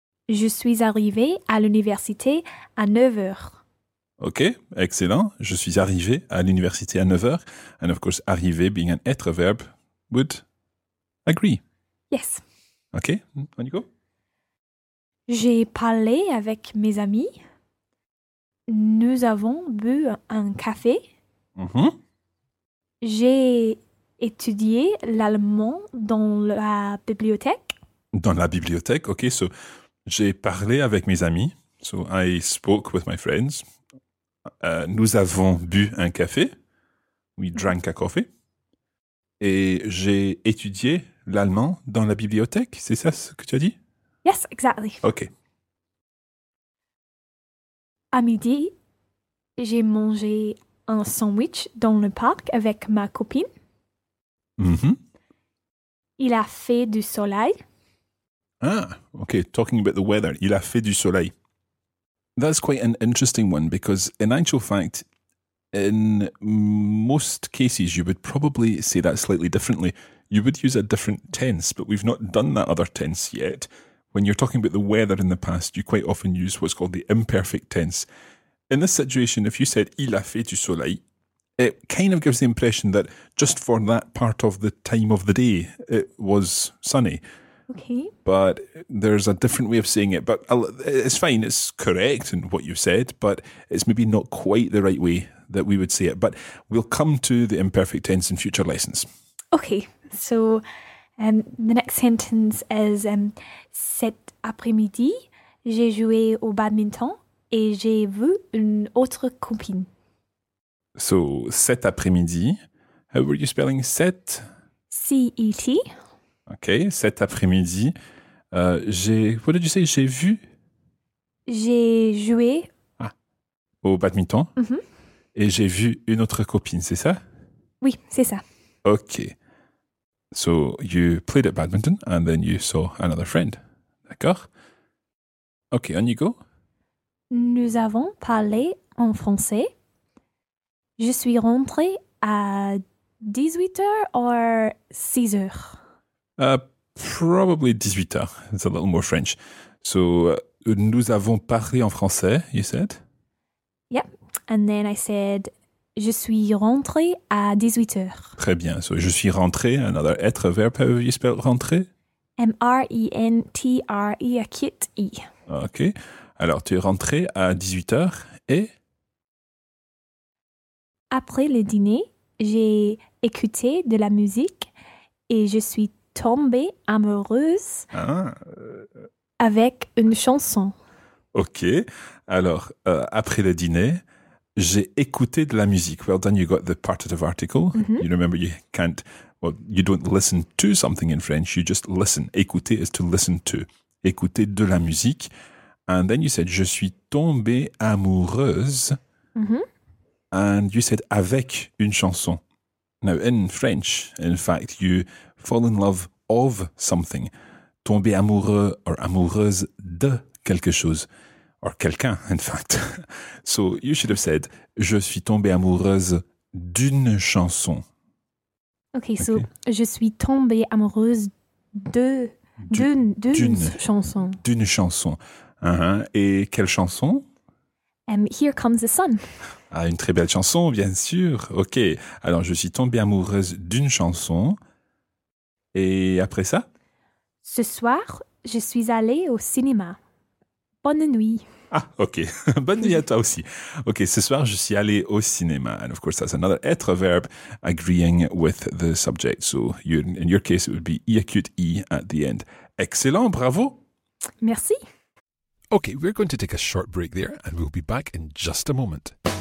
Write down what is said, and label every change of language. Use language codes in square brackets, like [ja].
[fr] Je suis arrivé à l'université à 9h. [en] Okay, excellent. [fr] Je suis arrivé à l'université à 9h. [en] And of course, arrivé being an être verb would agree. Yes. Okay, on you go. [fr] J'ai parlé avec mes amis. Nous avons bu un café. [en] Mm-hmm. [fr] J'ai étudié l'allemand dans la bibliothèque. Dans la bibliothèque, [en] okay, so... [fr] J'ai parlé avec mes amis. [en] So I spoke with my friends. [fr] Nous avons bu un café. [en] We drank a coffee. [fr] Et j'ai étudié l'allemand dans la bibliothèque. C'est ça ce que tu as dit? [en] Yes, exactly. OK. [fr] À midi, j'ai mangé un sandwich dans le parc avec ma copine. [en] Mm-hmm. [fr] Il a fait du soleil. [en] Ah, okay, talking about the weather. [fr] Il a fait du soleil. [en] That's quite an interesting one because in actual fact, in most cases, you would probably say that slightly differently. You would use a different tense, but we've not done that other tense yet. When you're talking about the weather in the past, you quite often use what's called the imperfect tense. In this situation, if you said [fr] il a fait du soleil, [en] it kind of gives the impression that just for that part of the time of the day, it was sunny. Okay. But there's a different way of saying it. But it's fine, it's correct in what you said, but it's maybe not quite the right way that we would say it. But we'll come to the imperfect tense in future lessons. Okay, so the next sentence is, [fr] cet après-midi, j'ai joué au badminton et j'ai vu une autre copine. [en] So, [fr] cet après-midi, [en] how were you spelling cet? C-E-T. Okay, [fr] cet après-midi, [en] what did you say, [fr] j'ai vu? J'ai joué. Ah, au badminton. [en] Mm-hmm. [fr] Et j'ai vu une autre copine, c'est ça? Oui, c'est ça. [en] Okay, so you played at badminton and then you saw another friend, [fr] d'accord? [en] Okay, on you go. [fr] Nous avons parlé en français. Je suis rentré à 18h or 6h? [en] Probably 18h. It's a little more French. So, [fr] nous avons parlé en français, [en] you said? Yep. And then I said, [fr] je suis rentré à 18h. Très bien. [en] So, [fr] je suis rentré, [en] another être verb. How do you spell rentré? M-R-E-N-T-R-E, a cute E. [fr] OK. Alors, tu es rentré à 18h et? Après le dîner, j'ai écouté de la musique et je suis tombée amoureuse avec une chanson. Ok. Alors, après le dîner, j'ai écouté de la musique. [en] Well done, you got the partitive article. Mm-hmm. You remember you can't, well, you don't listen to something in French, you just listen. [fr] Écouter [en] is to listen to. [fr] Écouter de la musique. [en] And then you said, [fr] je suis tombée amoureuse. [en] Mm-hmm. And you said, [fr] avec une chanson. [en] Now, in French, in fact, you fall in love of something. [fr] Tomber amoureux or amoureuse de quelque chose. Or quelqu'un, [en] in fact. So you should have said, [fr] je suis tombée amoureuse d'une chanson. [en] Okay, so okay. [fr] Je suis tombée amoureuse d'une chanson. D'une chanson. Uh-huh. Et quelle chanson? [en] Here Comes the Sun. [fr] Ah, une très belle chanson, bien sûr. Ok, alors je suis tombée amoureuse d'une chanson. Et après ça? Ce soir, je suis allée au cinéma. Bonne nuit. Ah, okay. Bonne nuit à toi aussi. Okay, ce soir, je suis allé au cinéma. [en] And of course, that's another être verb agreeing with the subject. So you, in your case, it would be I acute I at the end. Excellent, bravo. [fr] Merci. [en] Okay, we're going to take a short break there and we'll be back in just a moment.